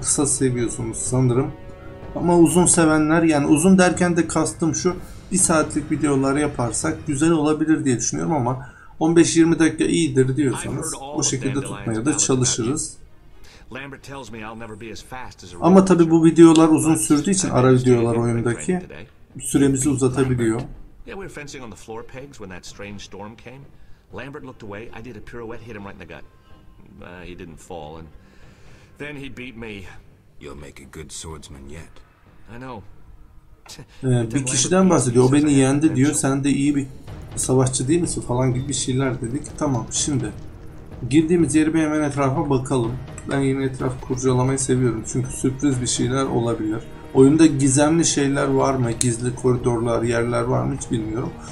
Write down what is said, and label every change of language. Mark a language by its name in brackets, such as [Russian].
[Turkish] Kısa seviyorsunuz sanırım. Ama uzun sevenler, yani uzun derken de kastım şu, bir saatlik videolar yaparsak güzel olabilir diye düşünüyorum ama 15-20 dakika iyidir diyorsanız o şekilde tutmaya da çalışırız. Ama tabi bu videolar uzun sürdüğü için, ara videolar oyundaki, süremizi uzatabiliyor. [English] Yeah, we were fencing on the floor pegs when that strange storm came. Lambert looked away. I did a pirouette, hit him right in the gut. He didn't fall, and Then he beat me. You'll make a good swordsman yet. I know. [Turkish] Bir kişiden bahsediyor. O beni yendi diyor. Sen de iyi bir savaşçı değil misin falan gibi bir şeyler dedik. Tamam, şimdi girdiğimiz yeri bir hemen etrafa bakalım. Ben yine etraf kurcalamayı seviyorum. Çünkü sürpriz bir şeyler olabilir. Oyunda gizemli şeyler var mı? Gizli koridorlar, yerler var mı hiç bilmiyorum.